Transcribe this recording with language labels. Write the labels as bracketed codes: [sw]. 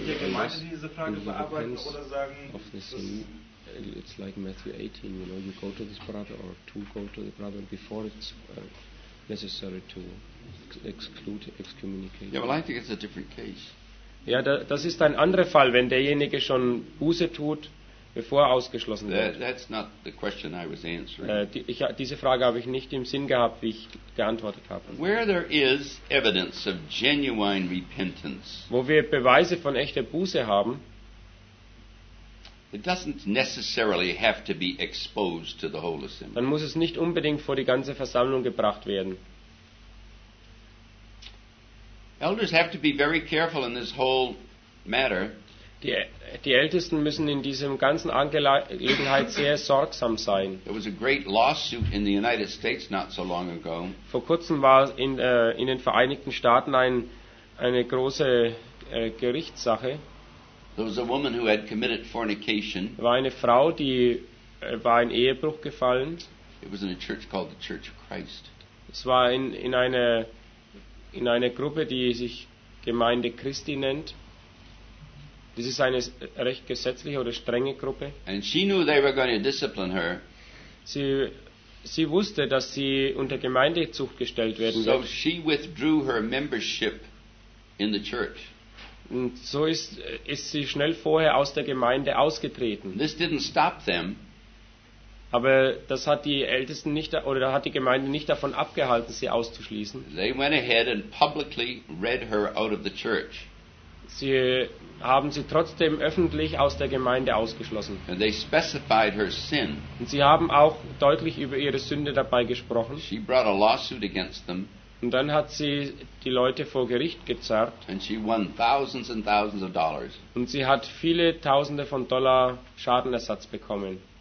[de] mit der Gemeinde diese Frage bearbeiten oder sagen, [en] dass sin, it's like Matthew 18, you know, you go to this brother or to go to the brother before it's necessary to exclude, excommunicate. Yeah, well, I think it's a different case. [de] Ja, das ist ein anderer Fall, wenn derjenige schon Buße tut, bevor er ausgeschlossen wird. [en] That's not the question I was answering. [de] Diese Frage habe ich nicht im Sinn gehabt, wie ich geantwortet habe. [en] Where there is evidence of genuine repentance, [de] wo wir Beweise von echter Buße haben, [en] it doesn't necessarily have to be exposed to the whole assembly. [de] Dann muss es nicht unbedingt vor die ganze Versammlung gebracht werden. [en] Elders have to be very careful in this whole matter. [de] Die Ältesten müssen in diesem ganzen Angelegenheit sehr sorgsam sein. [en] There was a great lawsuit in the United States not so long ago. [de] Vor kurzem war in den Vereinigten Staaten eine große Gerichtssache. [en] There was a woman who had committed fornication. [de] War eine Frau, die war in Ehebruch gefallen. [en] It was in a church called the Church of Christ. [de] Es war in einer Gruppe, die sich Gemeinde Christi nennt. Das ist eine recht gesetzliche oder strenge Gruppe. [en] And she knew they were going to discipline her. [de] Sie wusste, dass sie unter Gemeindezucht gestellt werden so wird. [en] She withdrew her membership in the church. [de] Und so ist sie schnell vorher aus der Gemeinde ausgetreten. [en] This didn't stop them. [de] Aber das hat die Ältesten nicht, oder hat die Gemeinde nicht davon abgehalten, sie auszuschließen. [en] They went ahead and publicly read her out of the church. [de] Sie haben sie trotzdem öffentlich aus der Gemeinde ausgeschlossen. [en] And they specified her sin. [de] Und sie haben auch deutlich über ihre Sünde dabei gesprochen. [en] She brought a lawsuit against them. [de] Und dann hat sie die Leute vor Gericht gezerrt. [en] And she won thousands and thousands of dollars. [de] Und sie hat viele Tausende von Dollar Schadenersatz bekommen.